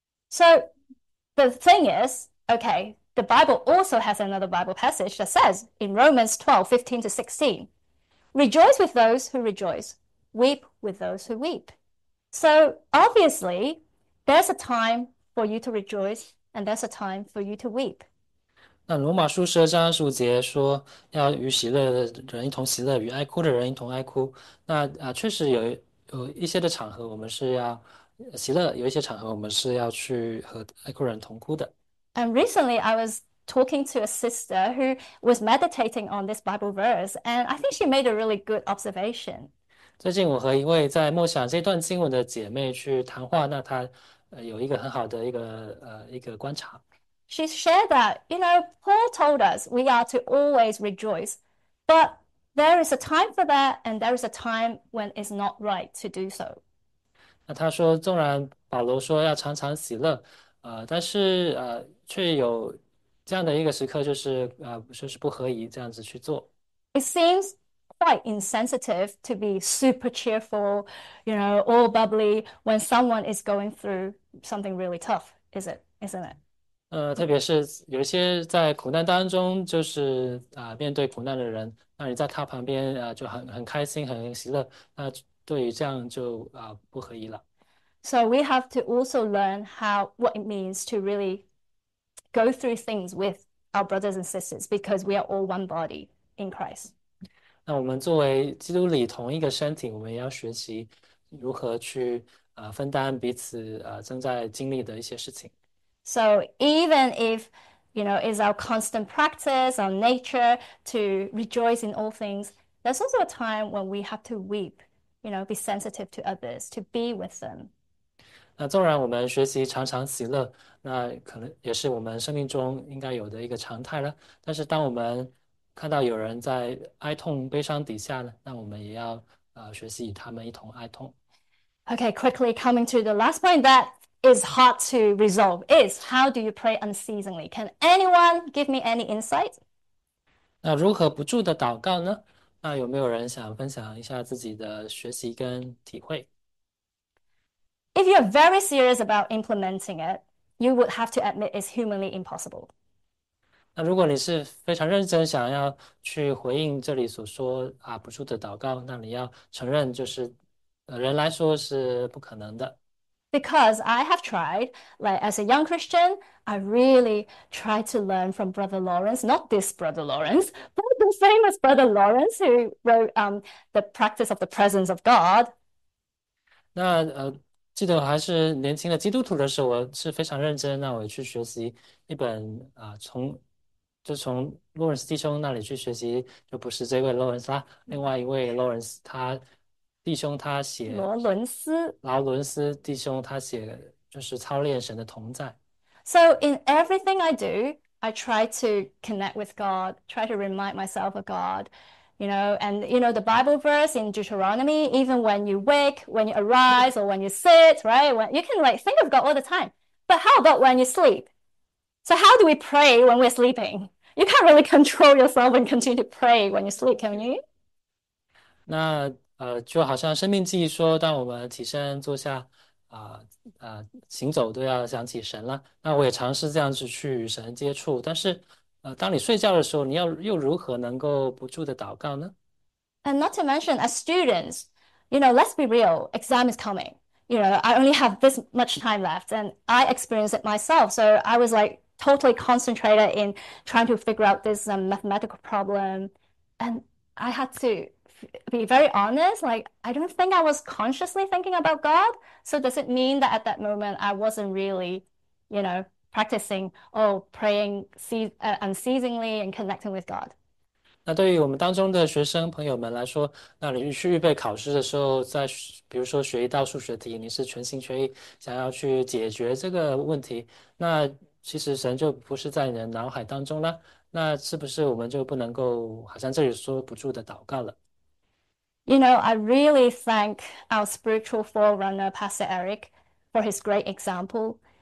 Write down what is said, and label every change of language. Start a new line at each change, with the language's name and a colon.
English: So the thing is, okay, the Bible also has another Bible passage that says in Romans 12, 15 to 16, rejoice with those who rejoice, weep with those who weep. So obviously, there's a time for you to rejoice and there's a time for you to weep.
Chinese: 那罗马书12:15说，要与喜乐的人一同喜乐，与爱哭的人一同爱哭。那确实有一些的场合我们是要喜乐，有一些场合我们是要去和爱哭人同哭的。
English: And recently, I was talking to a sister who was meditating on this Bible verse, and I think she made a really good observation.
Chinese: 最近我和一位在默想这段经文的姐妹去谈话，那她有一个很好的一个观察。
English: She shared that, you know, Paul told us we are to always rejoice, but there is a time for that, and there is a time when it's not right to do so.
Chinese: 那她说，纵然保罗说要常常喜乐，但是却有这样的一个时刻，就是说是不合宜这样子去做。
English: It seems quite insensitive to be super cheerful, you know, all bubbly when someone is going through something really tough, is it? Isn't it?
Chinese: 特别是有些在苦难当中，就是面对苦难的人，那你在他旁边就很开心、很喜乐，那对于这样就不合宜了。
English: So we have to also learn what it means to really go through things with our brothers and sisters because we are all one body in Christ.
Chinese: 那我们作为基督里同一个身体，我们也要学习如何去分担彼此正在经历的一些事情。
English: So even if, you know, it's our constant practice, our nature to rejoice in all things, there's also a time when we have to weep. You know, be sensitive to others, to be with them.
Chinese: 那纵然我们学习常常喜乐，那可能也是我们生命中应该有的一个常态了。但是当我们看到有人在哀痛、悲伤底下呢，那我们也要学习与他们一同哀痛。
English: Okay, quickly coming to the last point that is hard to resolve is how do you pray unceasingly? Can anyone give me any insight?
Chinese: 那如何不住的祷告呢？那有没有人想分享一下自己的学习跟体会？
English: If you're very serious about implementing it, you would have to admit it's humanly impossible.
Chinese: 那如果你是非常认真想要去回应这里所说不住的祷告，那你要承认就是人来说是不可能的。
English: Because I have tried, like as a young Christian, I really tried to learn from Brother Lawrence, not this Brother Lawrence, but the famous Brother Lawrence who wrote The Practice of the Presence of God.
Chinese: 那记得我还是年轻的基督徒的时候，我是非常认真，那我去学习一本从洛伦斯弟兄那里去学习，就不是这位洛伦斯啦，另外一位洛伦斯他弟兄他写罗伦斯。劳伦斯弟兄他写就是操练神的同在。
English: So in everything I do, I try to connect with God, try to remind myself of God. You know, and you know the Bible verse in Deuteronomy, even when you wake, when you arise, or when you sit, right? When you can like think of God all the time. But how about when you sleep? So how do we pray when we're sleeping? You can't really control yourself and continue to pray when you sleep, can you?
Chinese: 那就好像《生命记》说，当我们起身坐下，行走都要想起神了。那我也尝试这样子去与神接触，但是当你睡觉的时候，你要又如何能够不住的祷告呢？
English: And not to mention, as students, you know, let's be real, exam is coming. You know, I only have this much time left, and I experienced it myself. So I was like totally concentrated in trying to figure out this mathematical problem. And I had to be very honest, like, I don't think I was consciously thinking about God. So does it mean that at that moment I wasn't really, you know, practicing or praying unceasingly and connecting with God?
Chinese: 那对于我们当中的学生朋友们来说，那你去预备考试的时候，在比如说学一道数学题，你是全心全意想要去解决这个问题，那其实神就不是在你的脑海当中了，那是不是我们就不能够好像这里说不住的祷告了？
English: You know, I really thank our spiritual forerunner, Pastor Eric, for his great example.